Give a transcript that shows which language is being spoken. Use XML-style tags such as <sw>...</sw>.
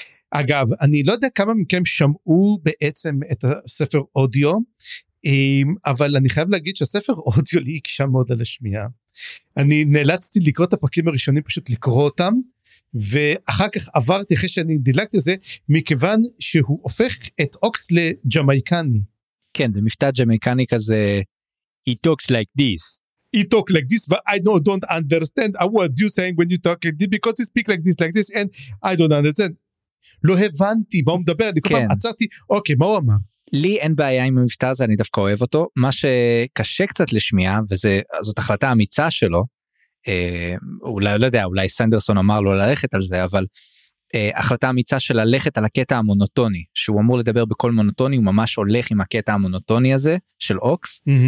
<he>אגב, אני לא יודע כמה מכם שמעו בעצם את הספר אודיו, אבל אני חייב להגיד שהספר אודיו לי הקשה מאוד על השמיעה. אני נאלצתי לקרוא את הפרקים הראשונים, פשוט לקרוא אותם, ואחר כך עברתי אחרי שאני דילגתי זה, מכיוון שהוא הופך את אוקס לג'מייקני. כן, זה מפתע ג'מייקני כזה,</he> <en>he talks like this. He talk like this, but I don't understand what you're saying when you talk like this, because he speak like this, and I don't understand.</en> <he>לא הבנתי מה הוא מדבר, אני כל פעם עצרתי, אוקיי, מה הוא אמר? לי אין בעיה עם המבטא הזה, אני דווקא אוהב אותו, מה שקשה קצת לשמיע, וזאת החלטה אמיצה שלו, אולי, לא יודע, אולי סנדרסון אמר לו ללכת על זה, אבל החלטה אמיצה של ללכת על הקטע המונוטוני, שהוא אמור לדבר בקול מונוטוני, הוא ממש הולך עם הקטע המונוטוני הזה, של אוקס,</he>